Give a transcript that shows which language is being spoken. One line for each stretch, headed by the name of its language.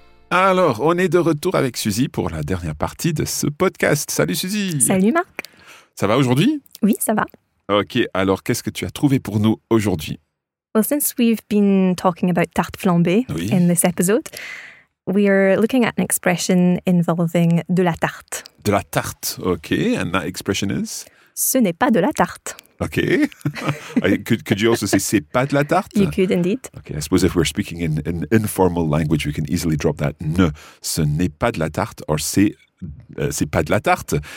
French: Alors, on est de retour avec Suzy pour la dernière partie de ce podcast. Salut Suzy! Salut Marc! Ça va aujourd'hui? Oui, ça va. Ok, alors qu'est-ce que tu as trouvé pour nous aujourd'hui?
English: Well, since we've been talking about tarte flambée in this episode, we are looking at an expression involving de la tarte. De la tarte, ok. And that expression is?
French: Ce n'est pas de la tarte.
English: Ok. could you also say, c'est pas de la tarte? You could indeed. Ok, I suppose if we're speaking in an informal language, we can easily drop that ne.
French: Ce n'est pas de la tarte or c'est pas de la tarte.